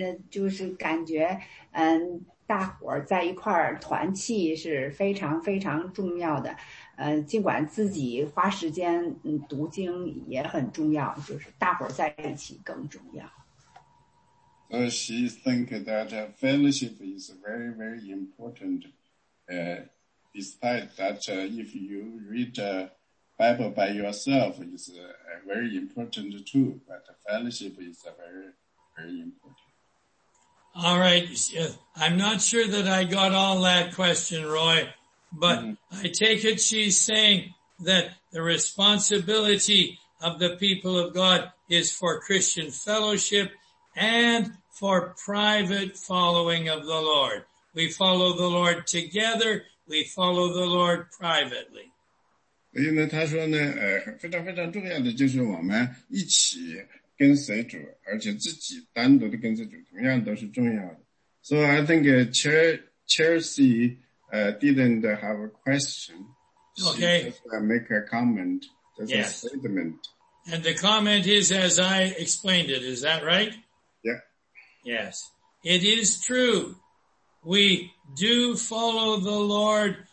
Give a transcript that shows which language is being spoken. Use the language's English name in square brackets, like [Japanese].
[Chinese] 就是感觉大伙在一块儿团契是非常非常重要的，尽管自己花时间读经也很重要，就是大伙在一起更重要。 [English] So she think that fellowship is very, very important. Despite that, if you read Bible by yourself, it's very important too, but fellowship is very, very important. All right. I'm not sure that I got all that question, Roy, but I take it she's saying that the responsibility of the people of God is for Christian fellowship and for private following of the Lord. We follow the Lord together. We follow the Lord privately. [Chinese] 所以呢，他说呢，非常非常重要的就是我们一起跟随主，而且自己单独的跟随主，同样都是重要的。 [English] So I think Chelsea didn't have a question. Okay. She just make a comment, just a statement. And the comment is as I explained it, is that right? Yeah. Yes. It is true. We do follow the Lord.